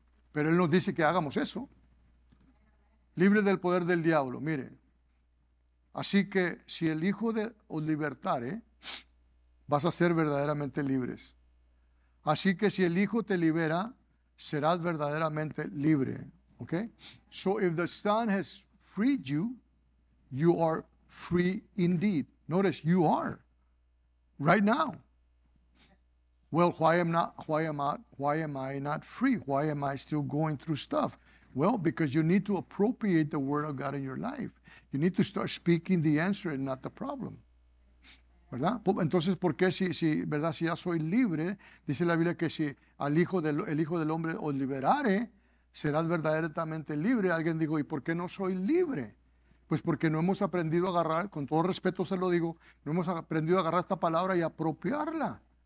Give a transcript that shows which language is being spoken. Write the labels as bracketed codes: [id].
[es] Pero Él nos dice que hagamos eso. Libre del poder del diablo, mire. Así que si el Hijo os libertare, vas a ser verdaderamente libres. Así que si el Hijo te libera, serás verdaderamente libre. Okay? [en] So if the Son has freed you, you are free indeed. Notice, you are. Right now. Well, why am I not free? Why am I still going through stuff? Well, because you need to appropriate the word of God in your life. You need to start speaking the answer and not the problem. [es] ¿Verdad? Entonces, ¿por qué si ya soy libre? Dice la Biblia que si al hijo del, el hijo del hombre os liberare, serás verdaderamente libre. Alguien dijo, ¿y por qué no soy libre? Pues porque no hemos aprendido a agarrar, con todo respeto se lo digo, no hemos aprendido a agarrar esta palabra y apropiarla.